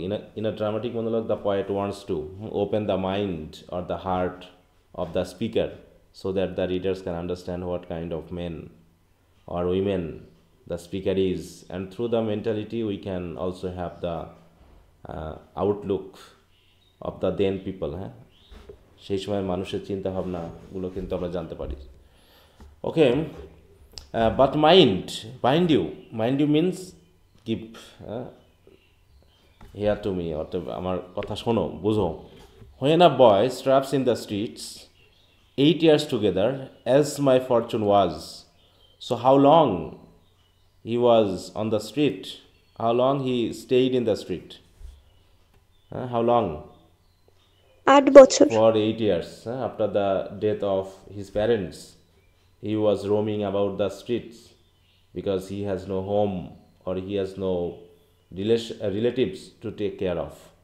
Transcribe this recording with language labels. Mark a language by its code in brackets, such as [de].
[en] In a dramatic monologue, the poet wants to open the mind or the heart of the speaker so that the readers can understand what kind of men or women the speaker is, and through the mentality we can also have the outlook of the then people. [bn] সেই সময় মানুষের চিন্তা ভাবনা গুলো কিন্তু আমরা জানতে পারি. [en] okay, but mind, mind you, mind you means keep here to me, [bn] অর্থাৎ আমার কথা শোনো, বুঝো. [en] When a boy straps in the streets 8 years together, as my fortune was. So how long he was on the street? How long he stayed in the street? How long? [bn] 8 বছর. [en] For 8 years, after the death of his parents, he was roaming about the streets because he has no home or he has no relatives to take care of.